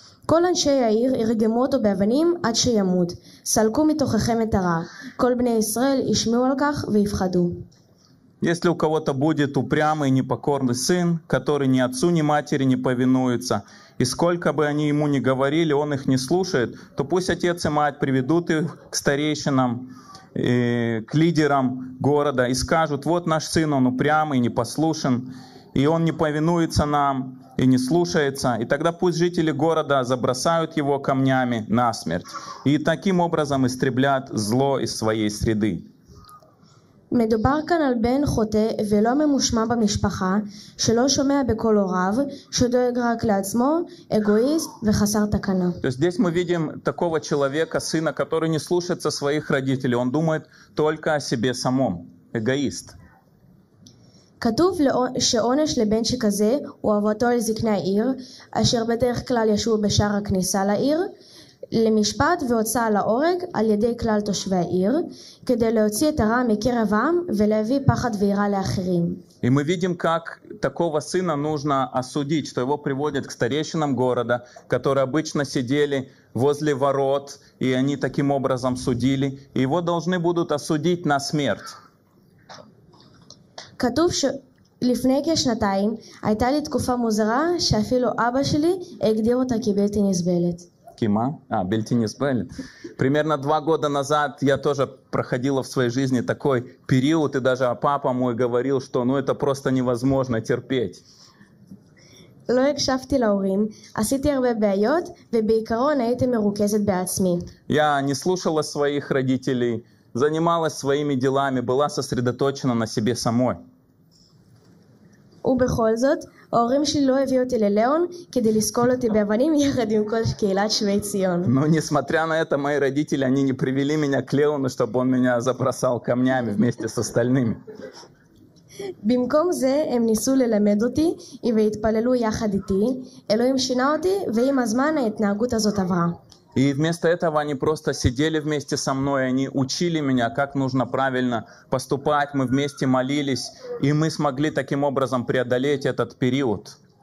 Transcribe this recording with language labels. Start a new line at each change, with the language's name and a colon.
Hebrew: כל אנשי העיר ירגמו אותו באבנים עד שימות. סלקו מתוככם את הרע. כל בני ישראל ישמעו על כך ויפחדו.
Russian: Если у кого-то будет упрямый и непокорный сын, который ни отцу, ни матери не повинуется, и сколько бы они ему ни говорили, он их не слушает, то пусть отец и мать приведут их к старейшинам, к лидерам города и скажут: «Вот наш сын, он упрямый, непослушен, и он не повинуется нам и не слушается». И тогда пусть жители города забросают его камнями насмерть и таким образом истреблят зло из своей среды.
Hebrew: מדובר כאן על בן חוטא ולא ממושמע במשפחה, שלא שומע בקול הוריו, שדואג רק לעצמו, אגואיסט וחסר תקנה.
Russian: Здесь мы видим такого человека, сына, который не слушается своих родителей. Он думает только о себе самом. Эгоист.
Hebrew: כתוב שעונש לבן שכזה הוא אהבתו על זקני העיר, אשר בדרך כלל ישו בשער הכניסה לעיר, למשפט והוצאה להורג על ידי כלל תושבי העיר, כדי להוציא את הרע מקרב העם ולהביא פחד ויראה לאחרים.
Russian: И мы видим, как такого сына нужно осудить, что его приводят к старейшинам города, которые обычно сидели возле ворот, и они таким образом судили, и его должны будут осудить на смерть.
Hebrew: כתוב ש... לפני כשנתיים הייתה לי תקופה מוזרה שאפילו אבא שלי הגדיר אותה כבלתי נסבלת. Кима? А, Бельтинисбель.
Russian: Примерно два года назад я тоже проходила в своей жизни такой период, и даже папа мой говорил, что ну это просто невозможно терпеть. Я не слушала своих родителей, занималась своими делами, была сосредоточена на себе самой.
Hebrew: ובכל זאת, ההורים שלי לא הביאו אותי ללאון כדי לסקול אותי באבנים יחד עם כל קהילת שווי ציון.
Russian: Но несмотря на это, мои родители, они не привели меня к Леону, чтобы он меня забросал камнями вместе с остальными.
Hebrew: במקום זה, הם ניסו ללמד אותי והתפללו יחד איתי. אלוהים שינה אותי, ועם הזמן ההתנהגות הזאת עברה.
Russian: И вместо этого они просто сидели вместе со мной, они учили меня, как нужно правильно поступать. Мы вместе молились, и мы смогли таким образом преодолеть этот период.